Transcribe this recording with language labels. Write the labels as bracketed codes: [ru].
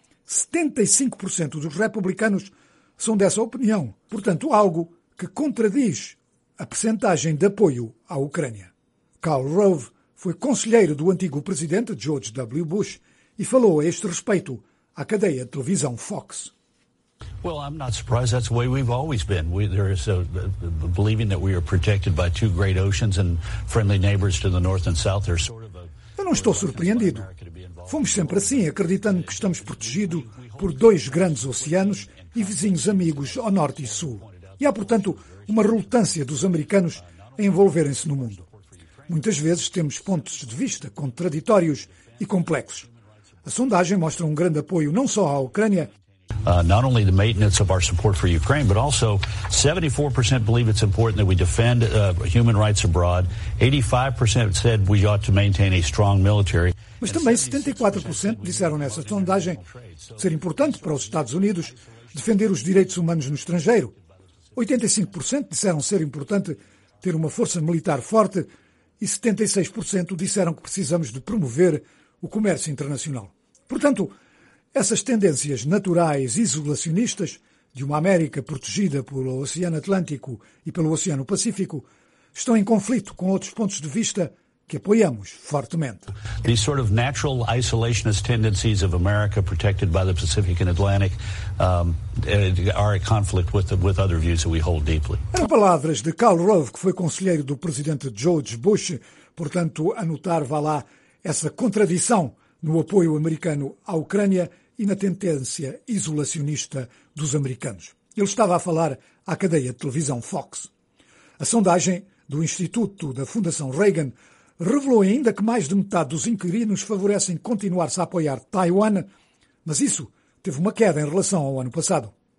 [pt] 75% dos republicanos são dessa opinião, portanto algo que contradiz a percentagem de apoio à Ucrânia. Karl Rove foi conselheiro do antigo presidente George W. Bush e falou a este respeito à cadeia de televisão Fox. [en] Well, I'm not surprised. That's the way we've always been. There is a believing that we are protected by two great oceans and friendly neighbors to the north and south. There's sort of a. [pt] Eu não estou surpreendido. Fomos sempre assim, acreditando que estamos protegidos por dois grandes oceanos e vizinhos amigos ao norte e sul. E há, portanto, uma relutância dos americanos a envolverem-se no mundo. Muitas vezes temos pontos de vista contraditórios e complexos. A sondagem mostra um grande apoio não só à Ucrânia. [en] Not only the maintenance of our support for Ukraine, but also 74% believe it's important that we defend human rights abroad. 85% said we ought to maintain a strong military. [pt] Mas também 74% disseram nessa sondagem ser importante para os Estados Unidos defender os direitos humanos no estrangeiro. 85% disseram ser importante ter uma força militar forte e 76% disseram que precisamos de promover o comércio internacional. Portanto, essas tendências naturais isolacionistas de uma América protegida pelo Oceano Atlântico e pelo Oceano Pacífico estão em conflito com outros pontos de vista que apoiamos fortemente. [en] These sort of natural isolationist tendencies of America protected by the Pacific and Atlantic are a conflict with other views that we hold deeply. [pt] Eram palavras de Karl Rove, que foi conselheiro do presidente George Bush, portanto, a notar, vá lá, essa contradição no apoio americano à Ucrânia e na tendência isolacionista dos americanos. Ele estava a falar à cadeia de televisão Fox. A sondagem do Instituto da Fundação Reagan revelou ainda que mais de metade dos inquirinos favorecem continuar-se a apoiar Taiwan, mas isso teve uma queda em relação ao ano passado.